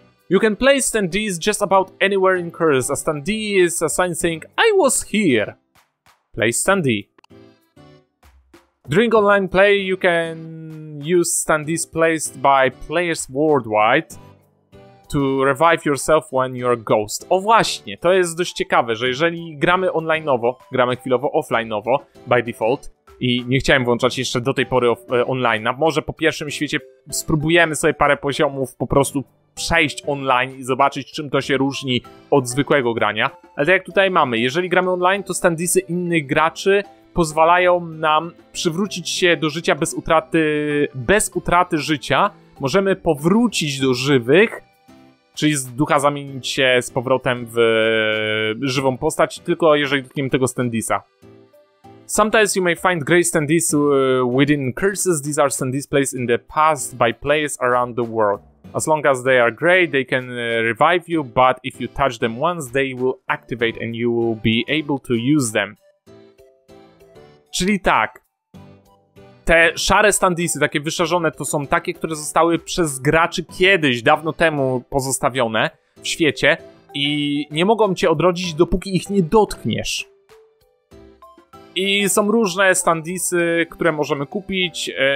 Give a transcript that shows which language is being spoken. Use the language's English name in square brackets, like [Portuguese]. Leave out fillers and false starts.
[English] You can place Standees just about anywhere in Curse. A Standee is a sign saying, I was here. Place Standee. During online play, you can use Standees placed by players worldwide to revive yourself when you're a ghost. [Polish] O właśnie, to jest dość ciekawe, że jeżeli gramy online'owo, gramy chwilowo offline'owo, by default, i nie chciałem włączać jeszcze do tej pory online'a, może po pierwszym świecie spróbujemy sobie parę poziomów po prostu przejść online i zobaczyć, czym to się różni od zwykłego grania. Ale tak jak tutaj mamy, jeżeli gramy online, to standisy innych graczy pozwalają nam przywrócić się do życia bez utraty życia. Możemy powrócić do żywych, czyli z ducha zamienić się z powrotem w żywą postać, tylko jeżeli dotkniemy tego standisa. [English] Sometimes you may find great standees within curses. These are standees placed in the past by players around the world. As long as they are great, they can revive you, but if you touch them once, they will activate and you will be able to use them. [Polish] Czyli tak. Te szare standisy, takie wyszarzone, to są takie, które zostały przez graczy kiedyś, dawno temu pozostawione w świecie. i nie mogą cię odrodzić, dopóki ich nie dotkniesz. I są różne standisy, które możemy kupić.